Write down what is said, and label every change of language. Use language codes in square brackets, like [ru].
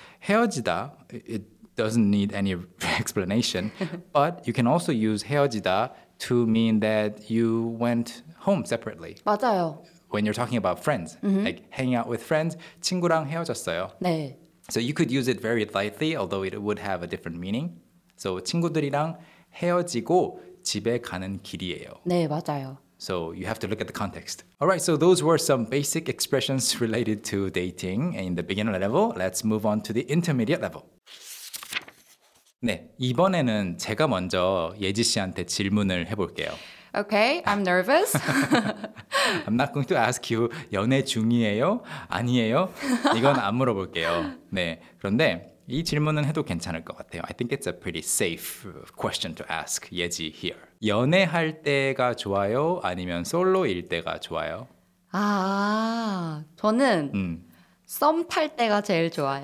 [en] 헤어지다, it doesn't need any explanation, but you can also use 헤어지다 to mean that you went home separately. [ko] 맞아요. [en] When you're talking about friends, like hanging out with friends, [ko] 친구랑 헤어졌어요. 네. [en] So you could use it very lightly, although it would have a different meaning. So [ko] 친구들이랑 헤어지고 집에 가는 길이에요. 네, 맞아요. [en] So you have to look at the context. All right, so those were some basic expressions related to dating in the beginner level. Let's move on to the intermediate level. [ko] 네, 이번에는 제가 먼저 예지 씨한테 질문을 해볼게요. [en] Okay, I'm nervous. I'm not going to ask you, [ko] 연애 중이에요? 아니에요? 이건 안 물어볼게요. 네, 그런데 이 질문은 해도 괜찮을 것 같아요. [en] I think it's a pretty safe question to ask Yeji here. [ko] 연애할 때가 좋아요? 아니면 솔로일 때가 좋아요? 아, 저는 썸 탈 때가 제일 좋아요.